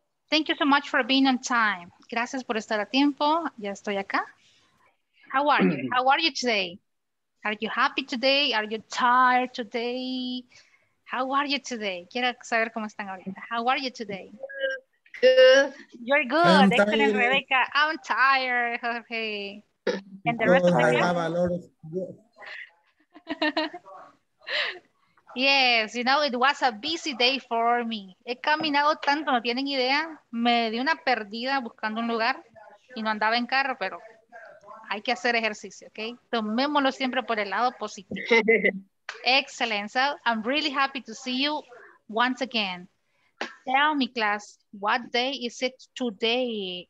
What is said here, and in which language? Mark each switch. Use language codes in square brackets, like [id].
[en] Thank you so much for being on time. [es] Gracias por estar a tiempo, ya estoy acá. [en] How are you? How are you today? Are you happy today? Are you tired today? How are you today? [es] Quiero saber cómo están ahorita. [en] How are you today? Good. You're good. I'm excellent, tired. Rebecca. I'm tired, Jorge. And the rest of the group? I have a lot of Yes, you know, it was a busy day for me. [es] He caminado tanto, no tienen idea. Me di una perdida buscando un lugar y no andaba en carro, pero hay que hacer ejercicio, ¿ok? Tomémoslo siempre por el lado positivo. Excellent. [en] So I'm really happy to see you once again. Tell me, class, what day is it today?